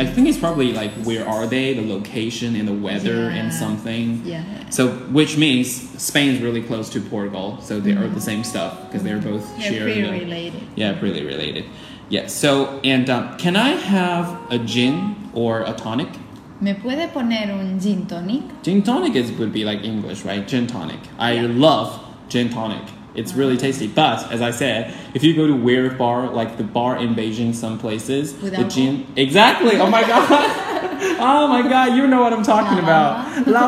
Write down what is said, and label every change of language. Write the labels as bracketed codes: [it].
[en] I think it's probably like where are they, the location and the weather and something. Yeah. So which means Spain is really close to Portugal, so they are the same stuff because they're both sharing. Yeah, pretty related. Yeah, pretty related. Yeah. So and can I have a gin or a tonic? [es] ¿Me puede poner un gin tonic? [en] Gin tonic would be like English, right? Gin tonic. Yeah. I love gin tonic. It's really tasty. But, as I said, if you go to weird bar, like the bar in Beijing, some places, without the gin... Exactly! Oh my god! Oh my god, you know what I'm talking about. La